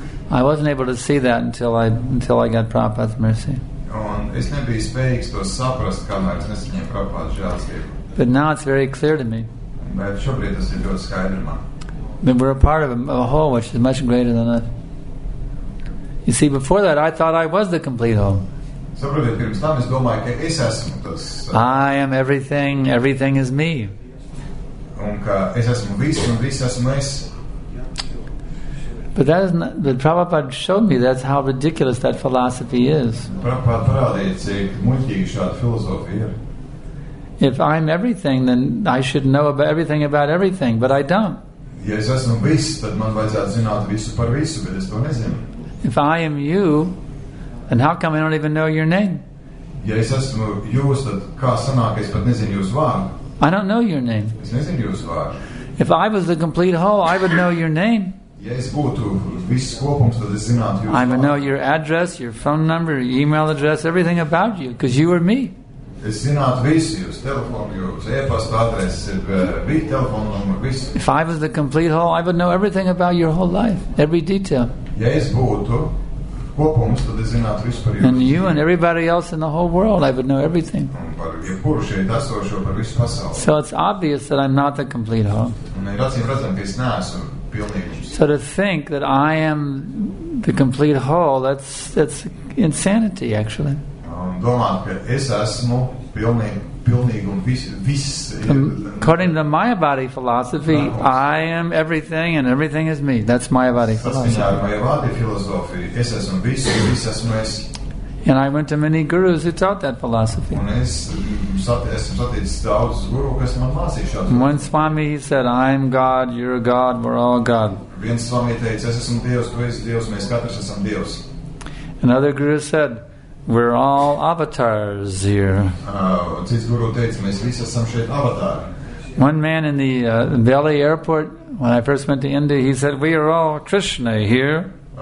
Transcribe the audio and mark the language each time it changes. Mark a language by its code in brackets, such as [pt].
[en] I wasn't able to see that until I got Prabhupada's mercy. [lv] Un es nebiju spējīgs to saprast, kamēr es nesaņēmu Prabhupada žēlstību. [en] But now it's very clear to me. [lv] Bet šobrīd tas ir ļoti skaidri man. [en] That we're a part of a whole which is much greater than us. You see, before that, I thought I was the complete whole. [lv] Saprotiet, pirms tam es domāju, ka es esmu tas. [en] I am everything, everything is me. [lv] Un ka es esmu viss un viss esmu es. [en] But that is not, but Prabhupada showed me that's how ridiculous that philosophy is. [lv] Prabhupada parādīja, cik muļķīgi šāda filozofija ir. [en] If I'm everything, then I should know about everything about everything, but I don't. [lv] Ja es esmu viss, tad man vajadzētu zināt visu par visu, bet es to nezinu. [en] If I am you, then how come I don't even know your name? [lv] Ja es esmu jūs, tad kā sanāk, es pat nezinu jūsu vārdu. [en] I don't know your name. [lv] Es nezinu jūsu vārdu. [en] If I was the complete whole, I would know your name. [lv] Ja es būtu viss kopums, tad es zinātu jūsu vārdu. [en] I would know your address, your phone number, your email address, everything about you, because you are me. [lv] Es zinātu visu jūsu telefonu, jūsu e-pasta adresi, bija telefonu numuru, visu. [en] If I was the complete whole, I would know everything about your whole life, every detail. [lv] Ja es būtu kopums, tad es zinātu visu par jūsu. [en] And you and everybody else in the whole world, I would know everything. [lv] Un par jebkuru šeit esošo, par visu pasauli. [en] So it's obvious that I'm not the complete whole. [lv] Un ir acīm redzam, ka es neesmu pilnīgs. [en] So to think that I am the complete whole, that's insanity, actually. [lv] Domāt, ka es esmu pilnīgi un viss. [en] According to Mayavadi philosophy, I am everything and everything is me. That's Mayavadi philosophy. [lv] Tas viņā Mayavadi filozofija. Es esmu visu un viss esmu es. [en] And I went to many gurus who taught that philosophy. [lv] Un esmu saticis daudz guru, kas man mācīja šādu. [en] One Swami, he said, I'm God, you're God, we're all God. [lv] Viens Swami teica, es esmu Dievs, tu esi Dievs, mēs katrs esam Dievs. [en] Another guru said, we're all avatars here. [lv] Cits guru teica, mēs visi esam šeit avatāri. [en] One man in the Delhi airport, when I first went to India, he said, we are all Krishna here.